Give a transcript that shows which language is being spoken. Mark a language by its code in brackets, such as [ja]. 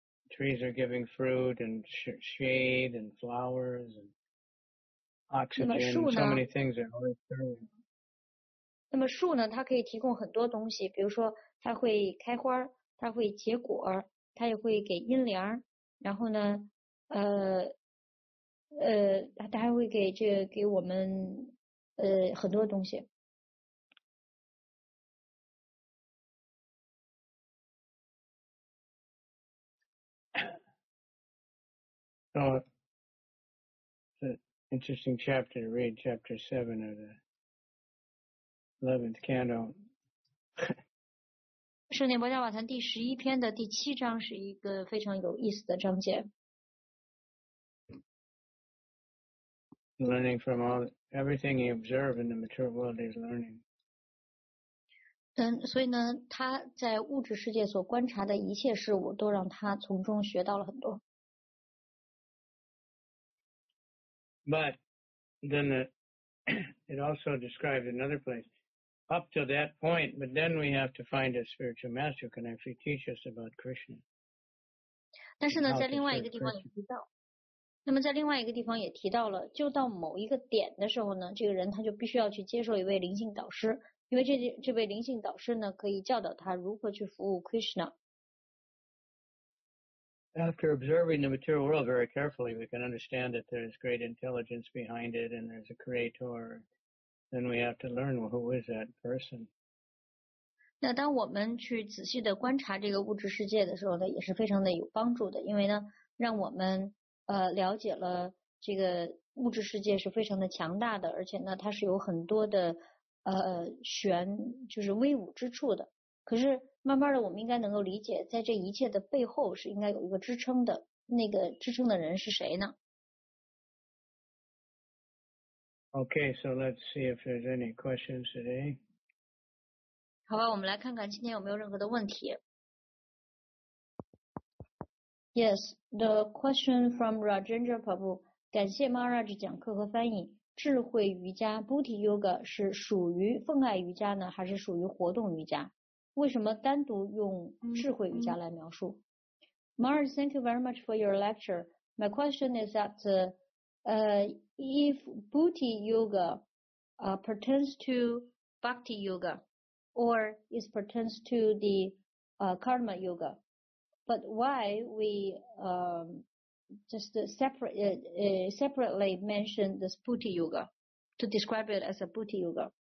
[en] Trees are giving fruit and shade and flowers and oxygen. So many things are always serving. [zh] 那么树呢，它可以提供很多东西，比如说它会开花，它会结果，它也会给阴凉，然后呢它还会给这个、给我们很多东西。 [en] So, it's an interesting chapter to read, chapter 7 of the 11th canto. [zh] 圣严伯家瓦坛第十一篇的第七章是一个非常有意思的章节。 [en] Learning from everything you observe in the material world is learning. [zh] 所以呢，他在物质世界所观察的一切事物都让他从中学到了很多。 [en] But then it also describes another place. Up to that point, but then we have to find a spiritual master who can actually teach us about Krishna. [zh] 但是呢，在另外一个地方也提到，那么在另外一个地方也提到了，就到某一个点的时候呢，这个人他就必须要去接受一位灵性导师，因为这位灵性导师呢，可以教导他如何去服务 Krishna。 [en] After observing the material world very carefully, we can understand that there's great intelligence behind it and there's a creator. Then we have to learn, well, who is that person? [zh] 那当我们去仔细地观察这个物质世界的时候呢，也是非常的有帮助的，因为呢，让我们了解了这个物质世界是非常的强大的，而且呢它是有很多的玄，就是威武之处的。可是慢慢的我们应该能够理解，在这一切的背后是应该有一个支撑的，那个支撑的人是谁呢？ [en] Okay, so let's see if there's any questions today. [zh] 好吧，我们来看看今天有没有任何的问题。 [en] Yes, the question from Rajendra Prabhu. [zh] 感谢 Maharaj 讲课和翻译。智慧瑜伽 Bhuti Yoga 是属于奉爱瑜伽呢，还是属于活动瑜伽？为什么单独用智慧瑜伽来描述？ [en] Maharaj, thank you very much for your lecture. My question is that if Bhuti Yoga pertains to Bhakti Yoga or it pertains to the Karma Yoga,But why we separately mention this Bhuti Yoga to describe it as a Bhuti Yoga?